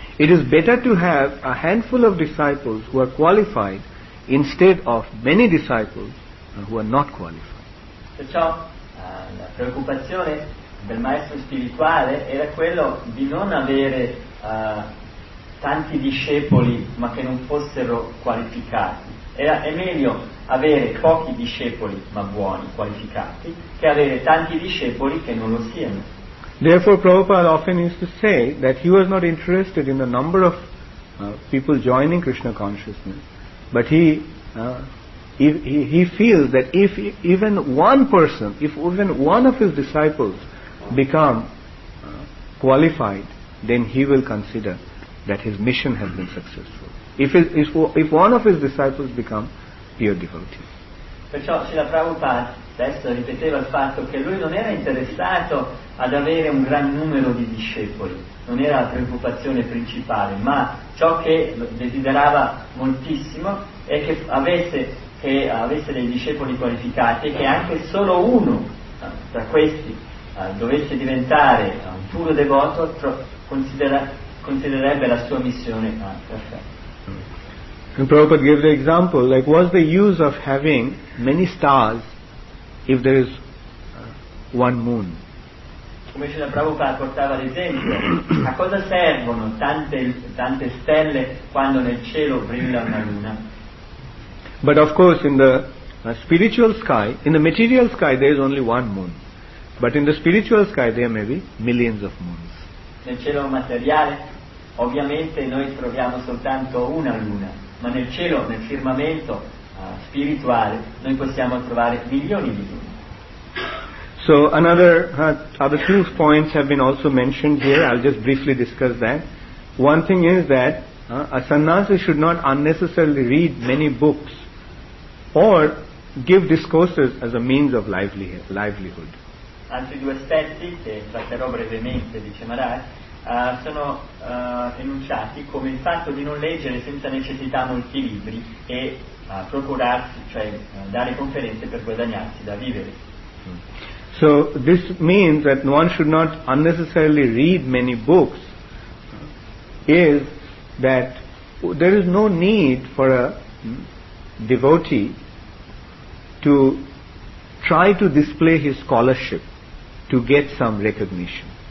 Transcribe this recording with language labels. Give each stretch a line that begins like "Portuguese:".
English: It is better to have a handful of disciples who are qualified instead of many disciples who are not qualified.
Italian: Perciò la preoccupazione del maestro spirituale era quello di non avere tanti discepoli ma che non fossero qualificati. È meglio avere pochi discepoli ma buoni, qualificati, che avere tanti discepoli che non lo siano.
English: Therefore, Prabhupada often used to say that he was not interested in the number of people joining Krishna consciousness, but he he feels that if even one person, if even one of his disciples become qualified, then he will consider that his mission has been successful. If one of his disciples become pure devotee.
Italian: Perciò Srila Prabhupada stesso ripeteva il fatto che lui non era interessato ad avere un gran numero di discepoli, non era la preoccupazione principale, ma ciò che desiderava moltissimo è che avesse dei discepoli qualificati, e che anche solo uno tra questi dovesse diventare un puro devoto, considererebbe la sua missione perfetta.
English: And Prabhupada gave the example, like, what's the use of having many stars if there is one moon?
Italian: Come Srila Prabhupada portava l'esempio, a cosa servono tante stelle quando nel cielo brilla una luna?
English: But of course in the spiritual sky, in the material sky there is only one moon. But in the spiritual sky there may be millions of moons.
Italian: Nel cielo materiale ovviamente noi troviamo soltanto una luna. Ma nel cielo, nel firmamento spirituale, noi possiamo trovare milioni di luni.
English: So another other two points have been also mentioned here. I'll just briefly discuss that. One thing is that a sannyasi should not unnecessarily read many books or give discourses as a means of livelihood.
Italian: Altri due aspetti che tratterò brevemente, dice Maharaj, sono enunciati come il fatto di non leggere senza necessità molti libri e procurarsi, cioè dare conferenze per guadagnarsi da vivere.
English: So this means that one should not unnecessarily read many books is that there is no need for a devotee to try to display his scholarship to get some recognition.